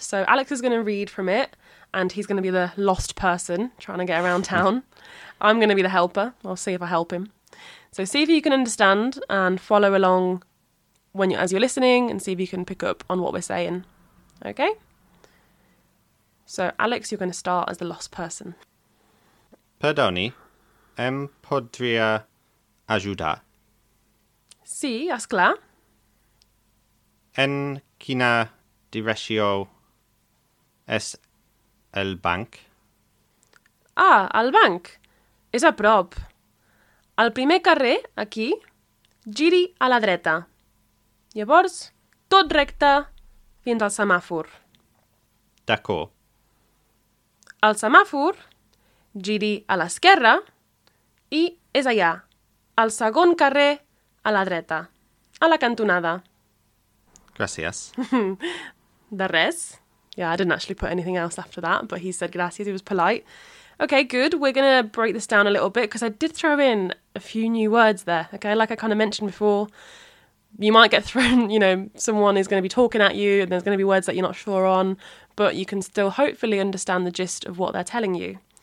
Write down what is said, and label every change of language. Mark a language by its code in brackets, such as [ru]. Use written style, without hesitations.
[en] So Alex is going to read from it and he's going to be the lost person trying to get around town. I'm going to be the helper. I'll see if I help him. So see if you can understand and follow along when you, as you're listening, and see if you can pick up on what we're saying. Okay? So, Alex, you're going to start as the lost person. [ca] Perdoni, em podría ayudar? Sí, es claro. En quina dirección es el banc? Ah, el banc. És a prop. Al primer carrer, aquí, giri a la dreta. Llavors, tot recte fins al semàfor. D'acord. Al semàfor, giri a l'esquerra i és allà, al segon carrer a la dreta, a la cantonada. Gràcies. De res. [en] Yeah, I didn't actually put anything else after that, but he said gracias, he was polite. Okay, good. We're going to break this down a little bit because I did throw in a few new words there. Okay, like I kind of mentioned before, you might get thrown, you know, someone is going to be talking at you and there's going to be words that you're not sure on, but you can still hopefully understand the gist of what they're telling you.